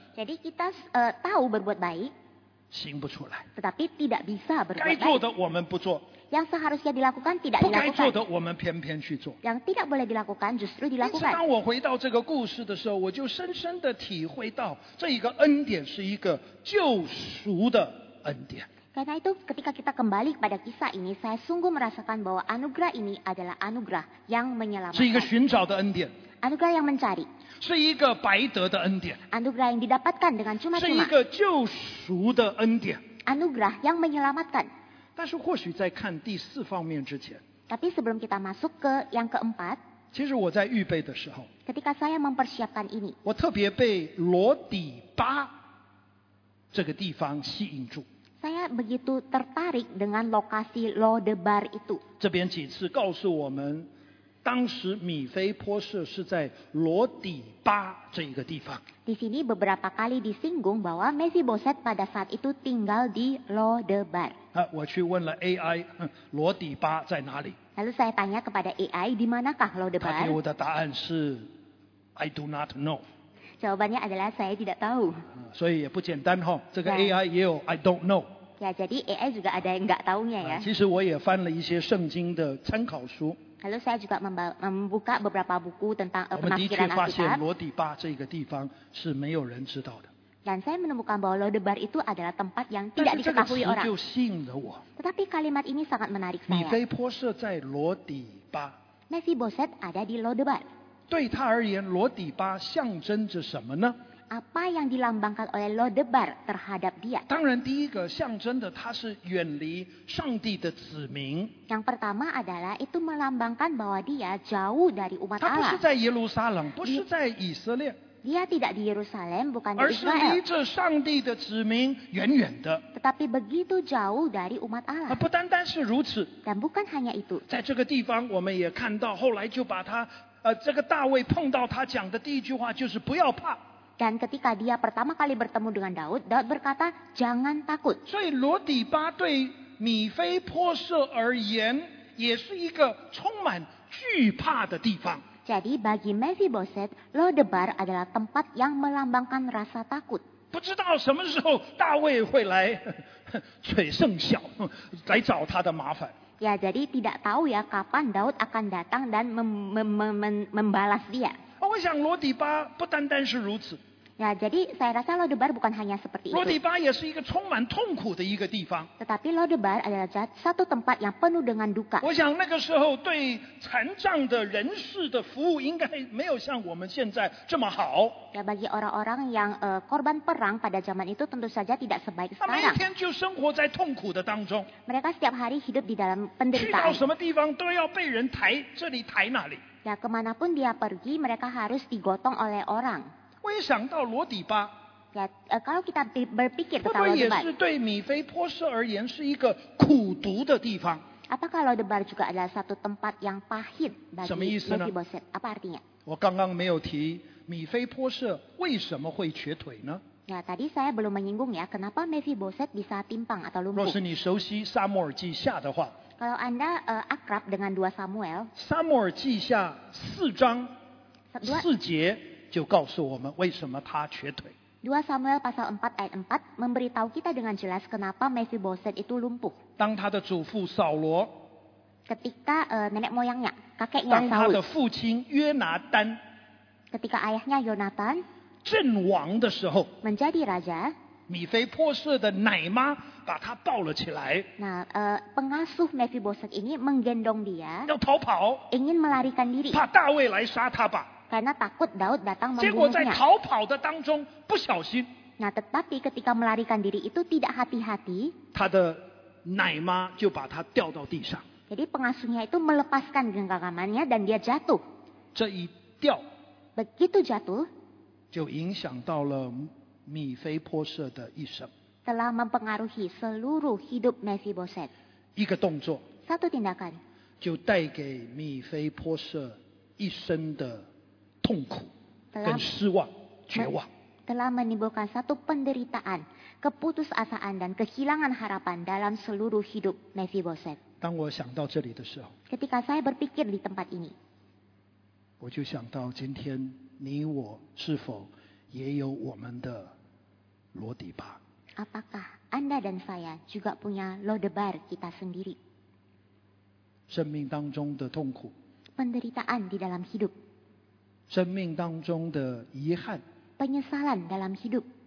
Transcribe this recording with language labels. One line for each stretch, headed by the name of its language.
Indonesian: Jadi kita tahu berbuat baik.
Chinese: 行不出来。
Indonesian: Tetapi tidak bisa berbuat baik.
Chinese: 该做的我们不做。
Indonesian: Yang seharusnya dilakukan tidak dilakukan.
Chinese: 不该做的我们偏偏去做。
Indonesian: Yang tidak boleh dilakukan justru dilakukan.
Chinese: 因此，当我回到这个故事的时候，我就深深地体会到这一个恩典是一个救赎的恩典。
Indonesian: Karena itu, ketika kita kembali kepada kisah ini, saya sungguh merasakan bahwa anugerah ini adalah anugerah yang menyelamatkan.
Chinese: 是一个寻找的恩典。
Indonesian: Anugerah yang mencari.
Chinese: 是一个白得的恩典。
Indonesian: Anugerah yang didapatkan dengan cuma-cuma.
Chinese: 是一个救赎的恩典。
Indonesian: Anugerah yang menyelamatkan.
Chinese: 但是或许在看第四方面之前。
Indonesian: Tapi sebelum kita masuk ke yang keempat.
Chinese: 其实我在预备的时候。
Indonesian: Ketika saya mempersiapkan ini.
Chinese: 我特别被罗底巴这个地方吸引住。
Indonesian: Saya begitu tertarik dengan lokasi Lodebar itu.
Chinese: 这边几次告诉我们，当时米非波设是在罗底巴这一个地方。
Indonesian: Di sini beberapa kali disinggung bahwa Mephiboset pada saat itu tinggal di Lodebar.
Chinese: 我去问了 AI， 罗底巴在哪里
Indonesian: ？Lalu saya tanya kepada AI di manakah Lodebar？
Chinese: 他给我的答案是 ，
English: I do not know。
Indonesian: Jawabannya adalah saya tidak tahu.
Chinese: 所以也不简单哈，这个 AI 也有
English: I don't know。
Indonesian: Ya, jadi AI juga ada yang enggak tahunya ya。
Chinese: 其实我也翻了一些圣经的参考书。
Indonesian: Lalu saya juga membuka beberapa buku tentang penafsiran Alkitab。
Chinese: 我们的确发现罗底巴这个地方是没有人知道的。
Indonesian: Dan saya menemukan bahwa Lodebar itu adalah tempat yang tidak diketahui orang。
Chinese: 但是这个词就吸引了我。
Indonesian: Tetapi kalimat ini sangat menarik saya。
Chinese: 米非波设在罗底巴。
Indonesian: Mephiboset ada di Lodebar。
Chinese: 对他而言，罗底巴象征着什么呢？
Indonesian: Apa yang dilambangkan oleh Lodebar terhadap dia？
Chinese: 当然，第一个象征的他是远离上帝的子民。
Indonesian: Yang pertama adalah itu melambangkan bahwa dia jauh dari umat Allah。
Chinese: 他不是在耶路撒冷，不是在以色列。
Indonesian: Dia tidak di Yerusalem, bukan di Israel。
Chinese: 而是离这上帝的子民远远的。
Indonesian: Tetapi begitu jauh dari umat Allah。
Chinese: 不单单是如此。
Indonesian: Dan bukan hanya itu。
Chinese: 在这个地方，我们也看到后来就把他。这个大卫碰到他讲的第一句话就是不要怕。
Indonesian: Dan ketika dia pertama kali bertemu dengan Daud, Daud berkata, jangan takut.
Chinese: 所以罗底巴对米非波设而言也是一个充满惧怕的地方。
Indonesian: Jadi bagi Mephiboset, Lodebar adalah tempat yang melambangkan rasa takut.
Chinese: 不知道什么时候大卫会来垂圣笑，来找他的麻烦。
Indonesian: Ya, jadi tidak tahu ya kapan Daud akan datang dan membalas dia.
Chinese: 我想罗底巴不单单是如此。
Indonesian: Ya, jadi saya rasa Lodebar bukan hanya seperti itu.
Chinese: 罗底巴也是一个充满痛苦的一个地方。
Indonesian: Tetapi Lodebar adalah satu tempat yang penuh dengan duka.
Chinese: 我想那个时候对残障的人士的服务应该没有像我们现在这么好。
Indonesian: Ya, bagi orang-orang yang korban perang pada zaman itu tentu saja tidak sebaik sekarang.
Chinese: 每天就生活在痛苦的当中。
Indonesian: Mereka setiap hari hidup di dalam penderitaan.
Chinese: 去到什么地方都要被人抬，这里抬那里。
Indonesian: Ya, kemanapun dia pergi, mereka harus digotong oleh orang.
Chinese: 我也想到罗底巴。
Indonesian: Ya, kalau kita berpikir tentang
Chinese: Lodebar, 会不会也是对米非波设而言是一个苦毒的地方？
Indonesian: Apakah Lodebar juga adalah satu tempat yang pahit bagi Mephiboset? Apa artinya?
Chinese: 我刚刚没有提米非波设为什么会瘸腿呢？
Indonesian: Ya, tadi saya belum menyinggung ya, kenapa Mephiboset bisa timpang atau lumpuh?
Chinese: 若是你熟悉撒母耳记下的话，
Indonesian: kalau anda akrab dengan 2 Samuel,
Chinese: 撒母耳记下四章四节。就告诉我们为什么他瘸腿。
Indonesian: 2 Samuel pasal 4 ayat 4 memberitahu kita dengan jelas kenapa Mephiboset itu lumpuh.
Chinese: 当他的祖父扫罗。
Indonesian: Ketika nenek moyangnya, kakeknya Saul.
Chinese: 当他的父亲约拿单。
Indonesian: Ketika ayahnya Yonatan.
Chinese: 阵亡的时候。
Indonesian: Menjadi raja.
Chinese: 米非波设的奶妈把他抱了起来。
Indonesian: Nah, pengasuh Mephiboset ini menggendong dia.
Chinese: 要逃跑。
Indonesian: Ingin melarikan diri.
Chinese: 怕大卫来杀他吧。
Indonesian: Karena takut Daud datang membunuhnya.
Chinese: 结果在逃跑的当中不小心。
Indonesian: Nah, tetapi ketika melarikan diri itu tidak hati-hati.
Chinese: 他的奶妈就把他掉到地上。
Indonesian: Jadi pengasuhnya itu melepaskan genggamannya dan dia jatuh.
Chinese: 这一掉。
Indonesian: Begitu jatuh.
Chinese: 就影响到了米非波设的一生。
Indonesian: Telah mempengaruhi seluruh hidup Mephiboset.
Chinese: 一个动作。
Indonesian: Satu tindakan.
Chinese: 就带给米非波设一生的痛苦跟失望、绝望。
Indonesian: Telah menimbulkan satu penderitaan, keputusasaan dan kehilangan harapan dalam seluruh hidup Mephiboset.
Chinese: 当我想到这里的时候。
Indonesian: Ketika saya berpikir di tempat ini.
Chinese: 我就想到今天你我是否也有我们的罗底巴。
Indonesian: Apakah Anda dan saya juga punya Lodebar kita sendiri?
Chinese: 生命当中的痛苦。
Indonesian: Penderitaan di dalam hidup.
Chinese: 生命当中的遗憾。
Indonesian: Penyesalan dalam hidup.